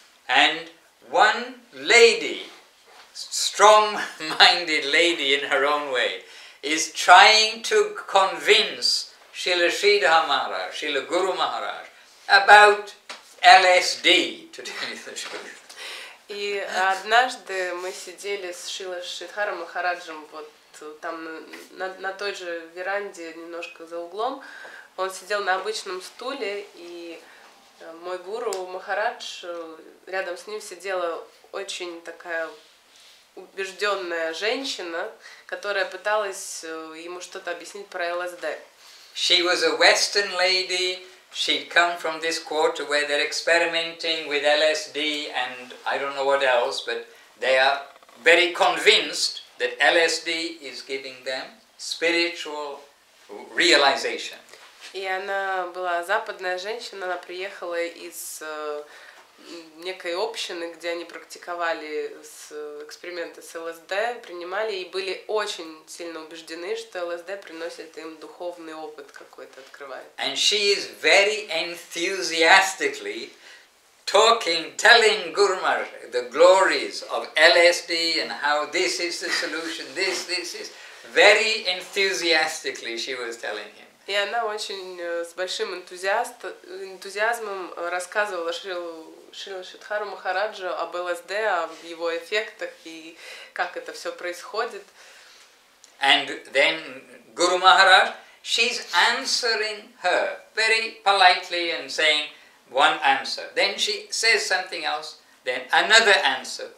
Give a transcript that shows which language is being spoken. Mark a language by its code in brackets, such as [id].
[en] And one lady, strong-minded lady in her own way, is trying to convince Srila Sridhar Maharaj, Srila Guru Maharaj, about LSD, to tell you the truth. [ru] И однажды мы сидели с Шрила Шридхаром Махараджем вот там на той же веранде, немножко за углом. Он сидел на обычном стуле, и мой гуру Махарадж, рядом с ним сидела очень такая убежденная женщина, которая пыталась ему что-то объяснить про LSD. [en] She was a Western lady. She'd come from this quarter where they're experimenting with LSD and I don't know what else, but they are very convinced that LSD is giving them spiritual realization. [ru] И она была западная женщина, она приехала из некой общины, где они практиковали эксперименты с ЛСД, принимали и были очень сильно убеждены, что ЛСД приносит им духовный опыт какой-то, открывает. [en] And she is very enthusiastically talking, telling Guru Maharaj the glories of LSD and how this is the solution, this is. Very enthusiastically she was telling him. [ru] И она очень с большим энтузиазмом рассказывала Шрила Шридхару Махараджу об ЛСД, о его эффектах и как это все происходит. [en] And then Guru Maharaj, she's answering her very politely and saying one answer. Then she says something else, then another answer.